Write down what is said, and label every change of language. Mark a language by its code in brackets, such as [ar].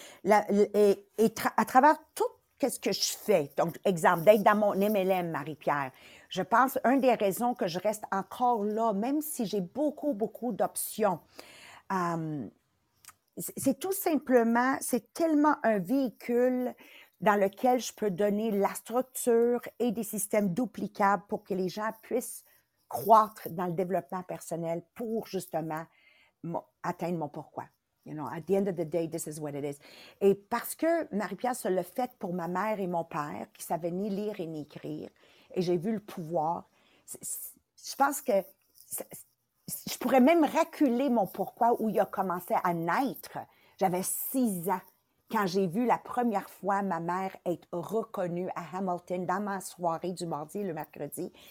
[fr] À travers tout ce que je fais, donc, exemple, d'être dans mon MLM, Marie-Pierre, je pense une des raisons que je reste encore là, même si j'ai beaucoup, beaucoup d'options, c'est tout simplement, c'est tellement un véhicule dans lequel je peux donner la structure et des systèmes duplicables pour que les gens puissent croître dans le développement personnel pour justement atteindre mon pourquoi. [en] You know, at the end of the day, this is what it is. [fr] Et parce que Marie-Pierre se l'a fait pour ma mère et mon père, qui ne savaient ni lire et ni écrire, et j'ai vu le pouvoir, je pense que... pourrais même reculer mon pourquoi où il a commencé à naître. J'avais 6 ans quand j'ai vu la première fois ma mère être reconnue à Hamilton dans ma soirée du mardi et le mercredi.